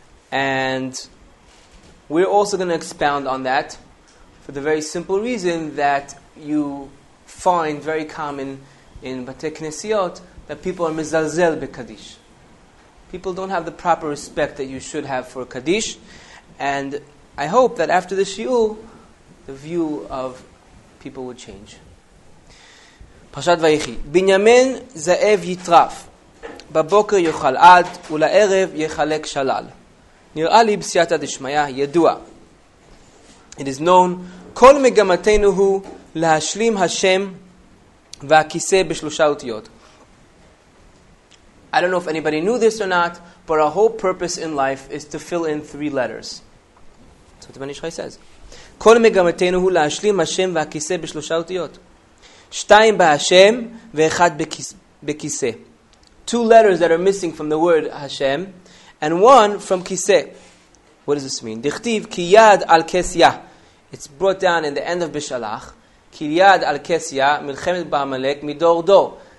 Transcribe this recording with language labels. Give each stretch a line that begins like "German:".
English: And we're also going to expound on that for the very simple reason that you find very common in Batei Knesiot that people are mezalzel b'Kaddish. People don't have the proper respect that you should have for Kaddish. And I hope that after the Shi'ul, the view of people would change.
Hebrew: Parshat Vayechi. Binyamin Ze'ev Yitraf. בבוקר יאכל עד, ולערב יחלק שלל. נראה לי בסייעתא דשמיא ידוע.
English: It is known,
Hebrew: כל מגמתנו הוא להשלים השם והכיסא בשלושה אותיות.
English: I don't know if anybody knew this or not, but our whole purpose in life is to fill in three letters. That's what Ben Ishchai says.
Hebrew: כל מגמתנו הוא להשלים השם והכיסא בשלושה אותיות. שתיים בהשם ואחד בכיסא.
English: Two letters that are missing from the word Hashem, and one from Kiseh. What does this mean?
Hebrew: Dichtiv ki yad al kesya.
English: It's brought down in the end of Bishalach.
Hebrew: Ki yad al kesya, milchemet ba'amalek, midor do.